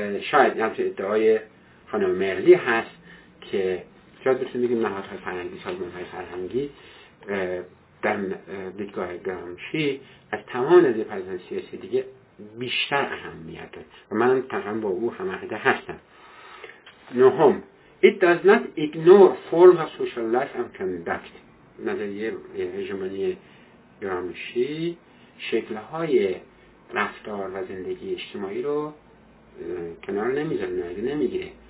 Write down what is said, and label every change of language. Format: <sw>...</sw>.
<fa>شاید نمیشه ادعای خانم مرلی هست که شاید بتونیم بگیم نهادهای فرهنگی، سازمانهای فرهنگی در دیدگاه گرامشی از تمام نظریه پردازنده سیاسی دیگه بیشتر اهمیت داره و من تقریبا با او هم‌عقیده هستم. نهم،</fa> <en>it does not ignore forms of social life and conduct.</en> <fa>نظریه هژمونی گرامشی شکل‌های رفتار و زندگی اجتماعی رو کنار نمیذاره، نادیده نمیگیره.</fa>